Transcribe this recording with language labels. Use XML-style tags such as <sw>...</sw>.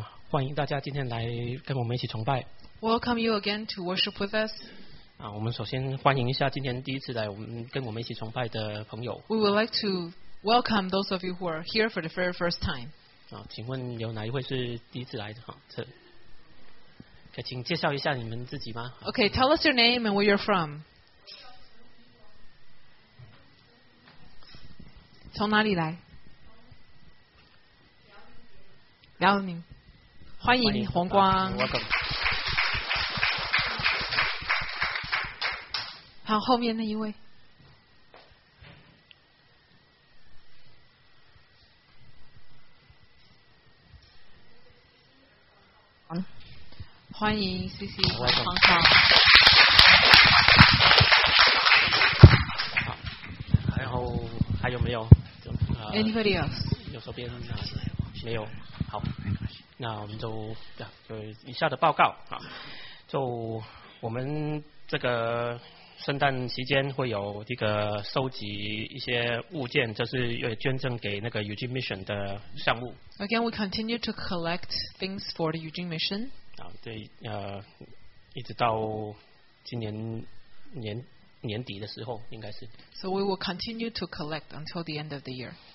<zh>欢迎大家今天来跟我们一起崇拜。</zh> <en>Welcome you again to worship with us.</en> <zh>啊，我们首先欢迎一下今天第一次来我们跟我们一起崇拜的朋友。</zh> <en>We would like to welcome those of you who are here for the very first time.</en> <zh>啊，请问有哪一位是第一次来的？哈，这，可请介绍一下你们自己吗？</zh> <en>Okay, tell us your name and where you're from.</en> <zh>从哪里来？辽宁。欢迎红光。</zh> <en>Welcome.</en> <zh>好，后面那一位。欢迎 CC 黄涛。好，然后还有没有</zh> <en>？Anybody else？</en> <zh>右手边没有。好。那我们就以下的报告啊，就我们这个圣诞期间会有这个收集一些物件，就是要捐赠给那个 Eugene Mission 的项目。</zh> <en>Again, we continue to collect things for the Eugene Mission.</en> <zh>啊，对，一直到今年年底的时候，应该是。</zh> <en>So we will continue to collect until the end of the year.</en>